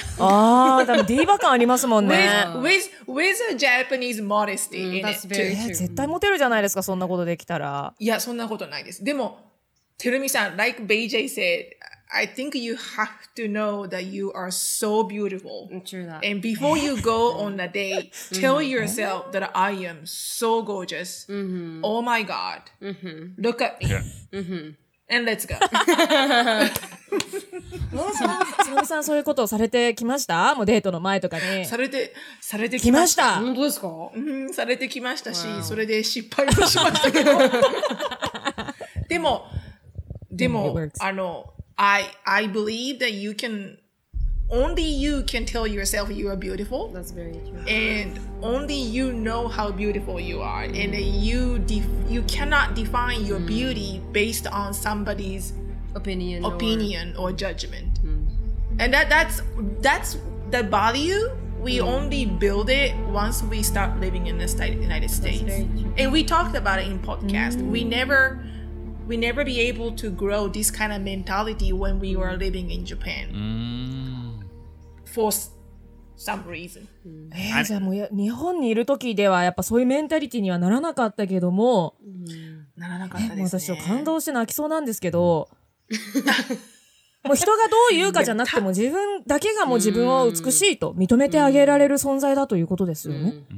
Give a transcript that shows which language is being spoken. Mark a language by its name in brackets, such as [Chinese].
[Japanese] ああ、でもディーバ感ありますもんね。 [English] With a Japanese modesty in it. That's very true. [Japanese] 絶対モテるじゃないですか、そんなことできたら。いや、そんなことないです。でも、 [English] Terumi-san, like BJ said, I think you have to know that you are so beautiful. True that. And before you go on a date, tell yourself that I am so gorgeous. Mm-hmm. Oh my God. Mm-hmm. Look at me. Yeah. Mm-hmm. And let's go. [Japanese] もうさ、つぼみさんそういうことをされてきました？もうデートの前とかに。されてきました。本当ですか？うん、されてきましたし、wow. それで失敗もしましたけど。でも、あの、 [English] I believe that you can, only you can tell yourself you are beautiful. That's very true. And only you know how beautiful you are. Mm. And you cannot define your beauty based on somebody's opinion or judgment. Mm. And that's the value we only build it once we start living in the United States. And we talked about it in podcast. Mm. We never be able to grow this kind of mentality when we were living in Japan. For some reason. [Japanese] じゃあもう日本にいる時ではやっぱそういうメンタリティにはならなかったけども、ならなかったですね。私は感動して泣きそうなんですけど、もう人がどう言うかじゃなくても自分だけがもう自分を美しいと認めてあげられる存在だということですよね。